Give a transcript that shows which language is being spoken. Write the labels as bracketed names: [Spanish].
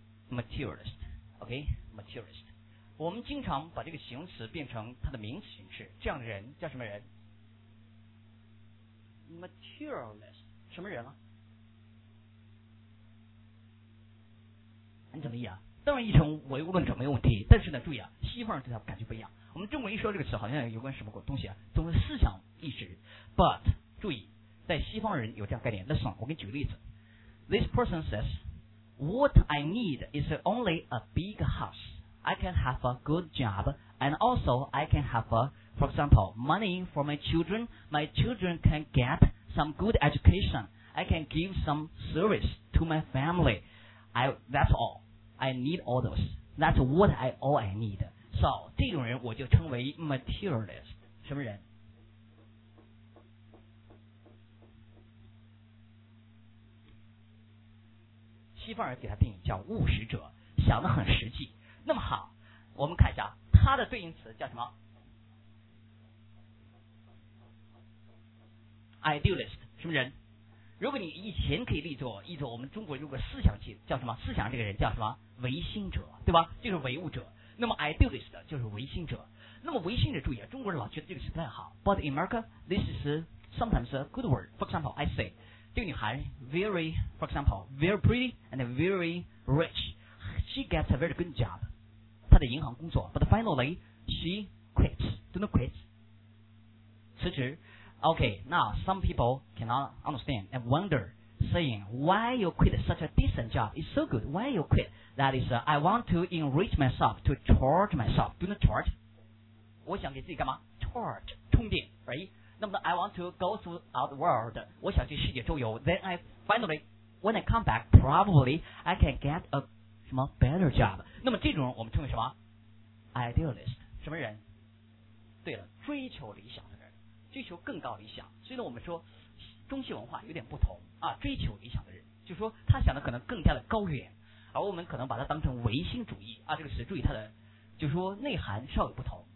[Chinese] materialist， 我们经常把这个形容词变成它的名词形式，这样的人叫什么人 ？materialist， 什么人啊？你怎么意啊？当然，一成唯物论者没有问题，但是呢，注意啊，西方人对他感觉不一样。我们中国一说这个词，好像有关什么东西啊，总是思想意识。 [English] But [Chinese] 注意，在西方人有这样概念。 [English] Listen， [Chinese] 我给你举个例子。 [English] This person says, "What I need is only a big house. I can have a good job, and also I can have, for example, money for my children. My children can get some good education. I can give some service to my family. That's all." I need all those. That's what I need. So, [Chinese] 这种人我就称为 [English] materialist. [Chinese] 什么人？西方人给他定义叫务实者，想得很实际。那么好，我们看一下他的对应词叫什么 ？Idealist. 什么人？如果你以前可以立作我们中国如果思想界叫什么思想，这个人叫什么唯心者，对吧，就是唯物者。那么 idealist 就是唯心者。那么唯心者注意啊，中国人老觉得这个词不太好。 [English] But in America this is sometimes a good word. For example I say [Chinese] 这个女孩 [English] very for example very pretty and very rich. She gets a very good job. [Chinese] 她在银行工作。 [English] But finally she quits. Do not quit. [Chinese] 辞职。 [English] Okay, now some people cannot understand and wonder, saying, why you quit such a decent job? It's so good. Why you quit? That is, I want to enrich myself, to charge myself. Do not charge. [Chinese] 我想给自己干嘛? [English] Charge, [Chinese] 充电, [English] right? [Chinese] 那么, [English] I want to go throughout the world. [Chinese] 我想去世界周游. [English] Then I finally, when I come back, probably, I can get a [Chinese] 什么, [English] better job. [Chinese] 那么这种人我们称为什么? [English] Idealist. [Chinese] 什么人?对了,追求理想。追求更高理想，所以呢，我们说中西文化有点不同啊。追求理想的人，就说他想的可能更加的高远，而我们可能把它当成唯心主义啊。这个词注意它的，就说内涵稍有不同。